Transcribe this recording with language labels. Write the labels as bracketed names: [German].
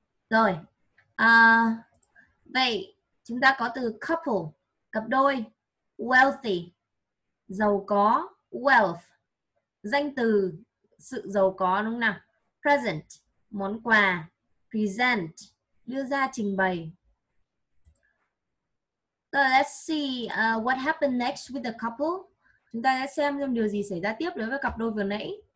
[Vietnamese] Rồi, vậy chúng ta có từ couple, cặp đôi. Wealthy, giàu có, wealth, danh từ sự giàu có đúng không nào? Present, món quà. Present, đưa ra trình bày. [English] So let's see what happened next with the couple. [Vietnamese] Chúng ta sẽ xem điều gì xảy ra tiếp đối với cặp đôi vừa nãy.